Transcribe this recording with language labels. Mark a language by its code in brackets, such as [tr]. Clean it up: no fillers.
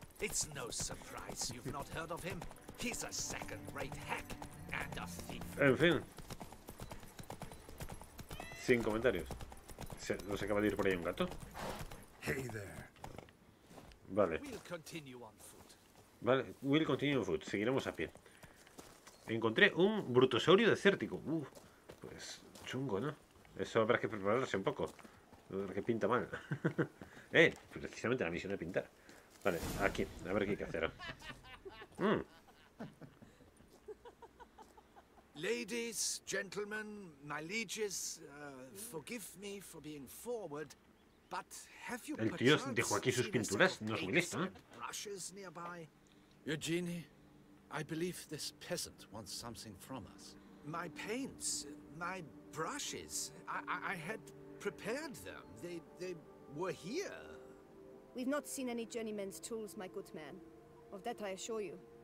[en] It's no surprise you've not heard of him. He's a second-rate hack and a thief. [es] En fin. Sin comentarios. ¿Nos acaba de ir por ahí un gato? [en] Hey there. [es] Vale. [en] We'll continue on foot. [es] Vale, [en] we'll continue on foot. [es] Seguiremos a pie. Encontré un brutosaurio desértico. Pues chungo, ¿no? Eso habrá que prepararse un poco. Porque pinta mal. precisamente la misión de pintar. Vale, aquí, a ver qué hay que hacer. [en] Ladies, gentlemen, my lieges, forgive me for being forward, but have you [es] El tío dejó aquí sus pinturas, no es muy listo, ¿eh? [en] Eugenie, I believe this peasant wants something from us. My paints, my brushes, I had prepared them. They were here. We've not seen any journeyman's tools, my good man. Of that I assure you.